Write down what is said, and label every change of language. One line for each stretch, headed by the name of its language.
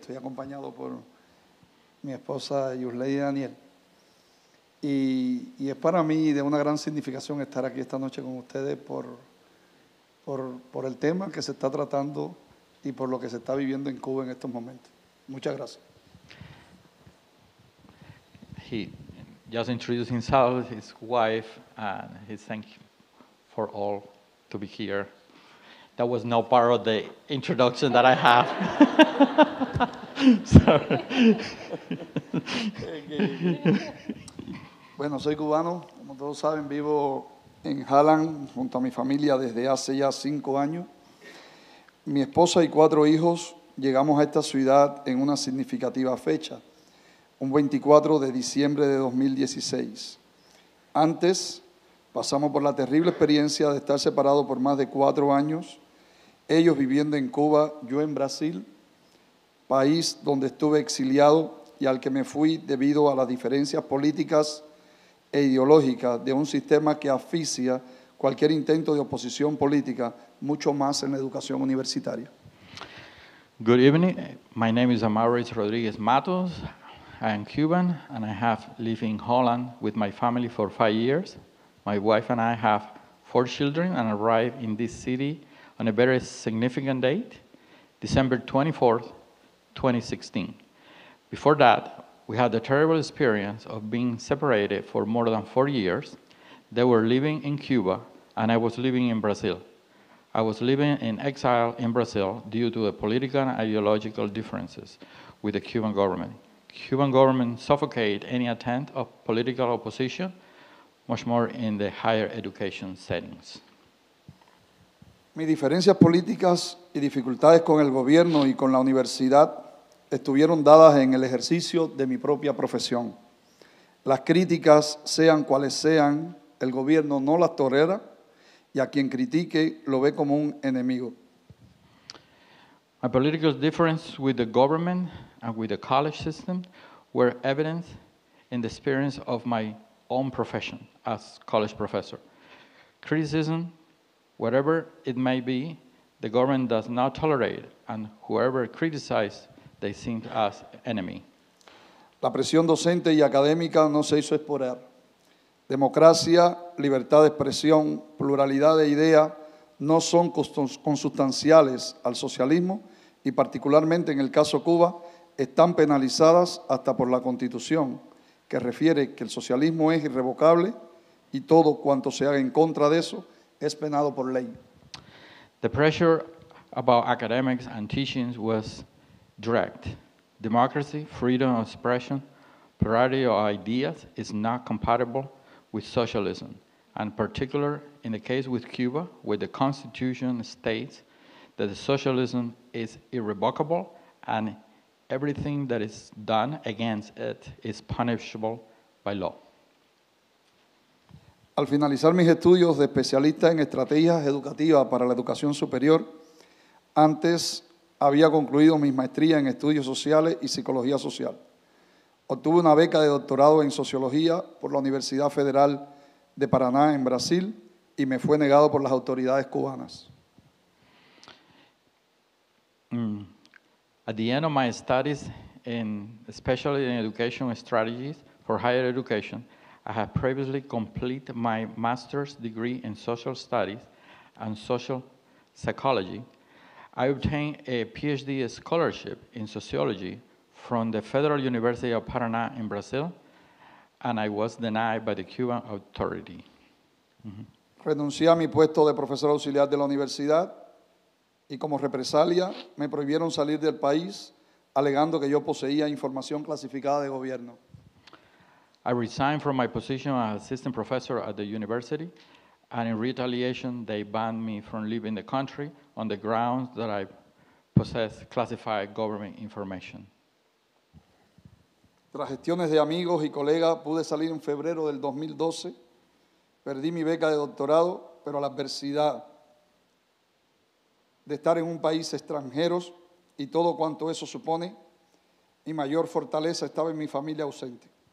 Spanish: Estoy acompañado por mi esposa Yurley Daniel. Y es para mí de una gran significación estar aquí esta noche con ustedes por el tema que se está tratando y por lo que se está viviendo en Cuba en estos momentos. Muchas gracias.
English: He just introduced himself, his wife, and he thank you for all to be here. That was no part of the introduction that I have.
Spanish: Bueno, soy cubano. Como todos saben, vivo en Holland junto a mi familia desde hace ya 5 años. Mi esposa y cuatro hijos llegamos a esta ciudad en una significativa fecha, un 24 de diciembre de 2016. Antes, pasamos por la terrible experiencia de estar separados por más de 4 años, ellos viviendo en Cuba, yo en Brasil, país donde estuve exiliado y al que me fui debido a las diferencias políticas e ideológicas de un sistema que asfixia cualquier intento de oposición política, mucho más en la educación universitaria.
English: Good evening. My name is Amaurys Rodriguez-Matos. I am Cuban and I have lived in Holland with my family for 5 years. My wife and I have 4 children and arrived in this city on a very significant date, December 24th, 2016. Before that, we had the terrible experience of being separated for more than 4 years. They were living in Cuba and I was living in Brazil. I was living in exile in Brazil due to the political and ideological differences with the Cuban government. Cuban government suffocated any attempt of political opposition, much more in the higher education settings.
Spanish: Mis diferencias políticas y dificultades con el gobierno y con la universidad estuvieron dadas en el ejercicio de mi propia profesión. Las críticas, sean cuales sean, el gobierno no las tolera y a quien critique lo ve como un enemigo.
English: My political difference with the government and with the college system were evident in the experience of my own profession as college professor. Criticism, whatever it may be, the government does not tolerate, and whoever criticizes, they seem as enemy.
Spanish: La presión docente y académica no se hizo esperar. Democracia, libertad de expresión, pluralidad de idea no son consustanciales al socialismo y particularmente en el caso Cuba están penalizadas hasta por la Constitución, que refiere que el socialismo es irrevocable y todo cuanto se haga en contra de eso es penado por ley.
English: The pressure about academics and teachings was direct. Democracy, freedom of expression, plurality of ideas is not compatible with socialism, and particular in the case with Cuba, where the Constitution states that the socialism is irrevocable and everything that is done against it is punishable by law.
Spanish: Al finalizar mis estudios de especialista en estrategias educativas para la educación superior, antes había concluido mis maestrías en estudios sociales y psicología social. Obtuve una beca de doctorado en sociología por la Universidad Federal de Paraná en Brasil y me fue negado por las autoridades cubanas.
English: At the end of my studies, especially in education strategies for higher education, I have previously completed my master's degree in social studies and social psychology. I obtained a PhD scholarship in sociology from the Federal University of Paraná in Brazil, and I was denied by the Cuban authority.
Spanish: Renuncié a mi puesto de profesor auxiliar de la universidad y como represalia me prohibieron salir del país alegando que yo poseía información clasificada de gobierno.
English: I resigned from my position as assistant professor at the university, and in retaliation they banned me from leaving the country on the grounds that I possess classified government information.
Spanish: Tras gestiones de amigos y colegas, pude salir en febrero del 2012. Perdí mi beca de doctorado, pero la adversidad de estar en un país extranjero y todo cuanto eso supone, mi mayor fortaleza estaba en mi familia ausente.